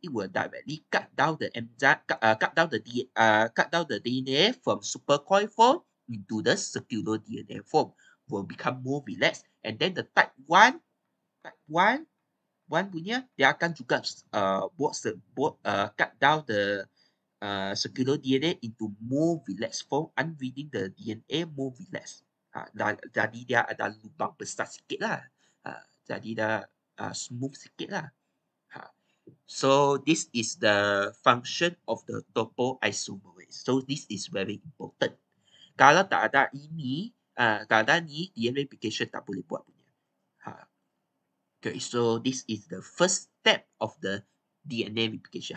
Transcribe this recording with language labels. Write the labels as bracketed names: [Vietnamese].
[English] It will directly cut down the DNA from supercoil form into the circular DNA form. Will become more relaxed, and then the type one [Malay] punya, dia akan juga [English] cut down the circular DNA into more relaxed form, unreading the DNA more relaxed. [Malay] Jadi dia ada lubang besar sikit lah. Jadi dia smooth sikit lah. [English] So this is the function of the topoisomerase. So this is very important. [Malay] Kalau tak ada ini, DNA replication tak boleh buat punya. [English] Okay, so this is the first step of the DNA replication.